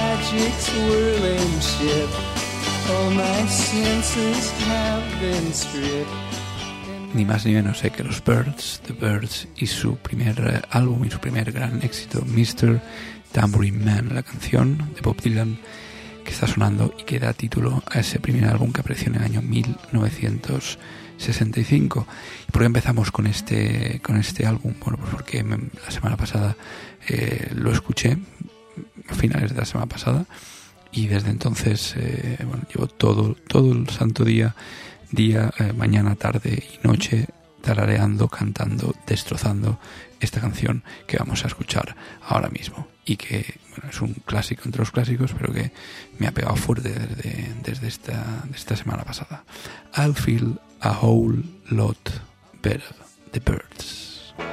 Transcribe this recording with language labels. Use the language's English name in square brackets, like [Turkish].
[English] Swirling ship, all my senses have been stripped. [Spanish] Ni más ni menos que los Birds, The Birds y su primer álbum y su primer gran éxito, Mr. Tambourine Man, la canción de Bob Dylan que está sonando y que da título a ese primer álbum que apareció en el año 1965. ¿Por qué empezamos con este álbum? Bueno, pues porque la semana pasada lo escuché, a finales de la semana pasada, y desde entonces bueno, llevo todo el santo día, mañana, tarde y noche tarareando, cantando, destrozando esta canción que vamos a escuchar ahora mismo y que, bueno, es un clásico entre los clásicos, pero que me ha pegado fuerte desde esta semana pasada. [English] I'll feel a whole lot better, The Birds.